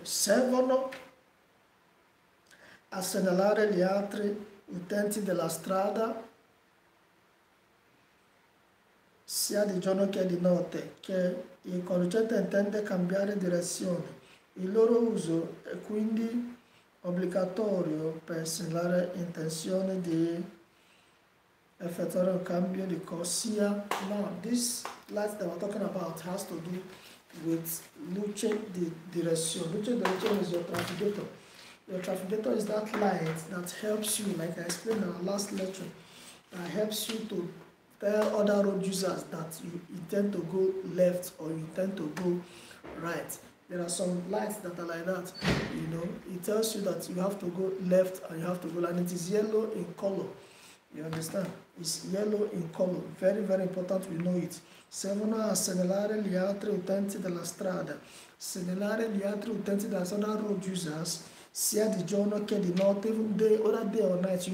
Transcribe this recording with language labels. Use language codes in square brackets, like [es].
[it] Servono a segnalare gli altri utenti della strada, sia di giorno che di notte, che il conducente intende cambiare direzione. Il loro uso è quindi obbligatorio per segnalare intenzione di effettuare un cambio di corsia. [en] Now, this light that we're talking about has to do with [it] luce di direzione. Luce di direzione [en] is your trafficator. Your trafficator is that light that helps you, like I explained in our last lecture, that helps you to tell other road users that you intend to go left or you intend to go right. There are some lights that are like that, you know. It tells you that you have to go left and you have to go right. And it is yellow in color. You understand? It's yellow in color. Very, very important we know it. [it] Servono a segnalare gli altri utenti della strada. Segnalare gli altri utenti della strada, [en] road users, [it] sia di giorno che di notte, [en] even day or day or night.